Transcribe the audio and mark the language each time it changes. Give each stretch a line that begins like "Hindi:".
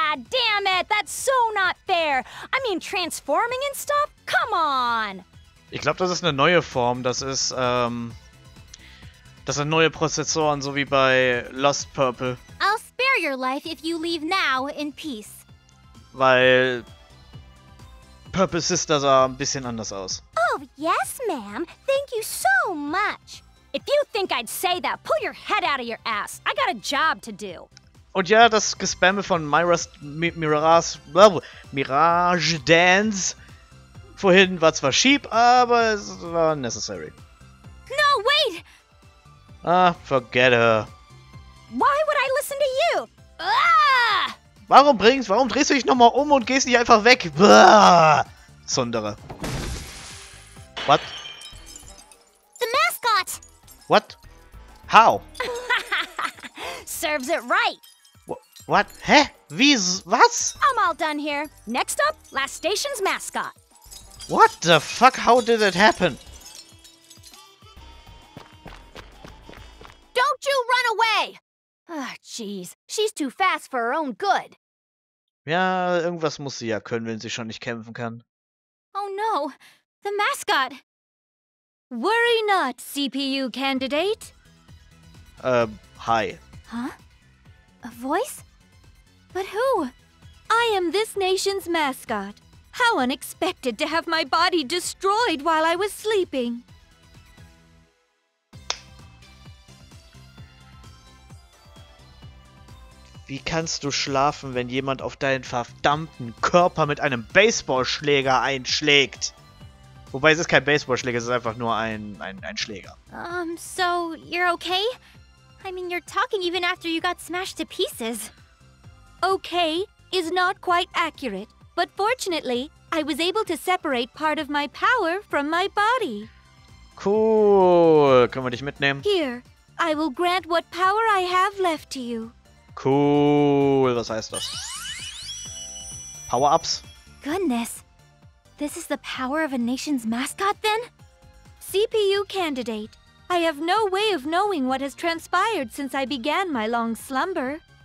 English: Damn it, that's so not fair. I mean, transforming and stuff? Come on!
German: Ich glaube, das ist eine neue Form. Das ist, das sind neue Prozessoren, so wie bei Lost Purple.
English: I'll spare your life if you leave now in peace.
German: Weil Purple Sister sah ein bisschen anders aus.
English: Oh, yes, ma'am. Thank you so much. If you think I'd say that, pull your head out of your ass. I got a job to do.
German: Und ja, das Gespamme von Myra's Mirage Dance vorhin war zwar cheap, aber es war necessary.
English: No, wait! Ah, forget her. Why would I listen to you?
German: Warum drehst du dich nochmal um und gehst nicht einfach weg?
English: Blah! Sondere. What? The mascot! What? How? Serves it right!
German: What? Hä? Wie? Was?
English: I'm all done here. Next up, last station's mascot. What the fuck? How did it happen? Don't you run away! Ah, jeez. She's too fast for her own good.
German: Ja, irgendwas muss sie ja können, wenn sie schon nicht kämpfen kann.
English: Oh no, the mascot. Worry not, CPU candidate. Hi. Huh? A voice? But who? I am this nation's mascot. How unexpected to have my body destroyed while I was sleeping.
German: Wie kannst du schlafen, wenn jemand auf deinen verdammten Körper mit einem Baseballschläger einschlägt? Wobei es ist kein Baseballschläger, es ist einfach nur ein Schläger.
English: So you're okay? I mean, you're talking even after you got smashed to pieces. Okay is not quite accurate, but fortunately, I was able to separate part of my power from my body.
German: Cool, können wir dich mitnehmen?
English: Here, I will grant what power I have left to you.
German: Cool, was heißt das? Power-ups?
English: Goodness, this is the power of a nation's mascot then? CPU candidate, I have no way of knowing what has transpired since I began my long slumber.